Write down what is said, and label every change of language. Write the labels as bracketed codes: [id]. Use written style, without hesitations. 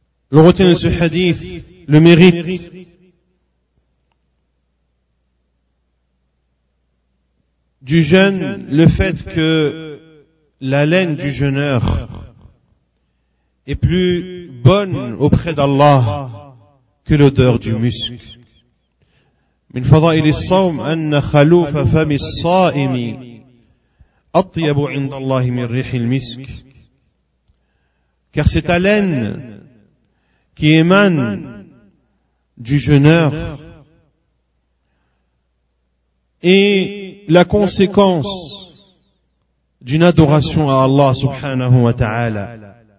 [fr] l'on retient de ce hadith le mérite du jeûne, le fait que la laine du jeûneur est plus bonne auprès d'Allah que l'odeur du musc. [ar] من فضائل الصوم أن خلوف فم الصائم أطيب عند الله من ريح المسك. [fr] Car cette haleine qui émane du jeûneur est la conséquence d'une adoration à Allah subhanahu wa ta'ala.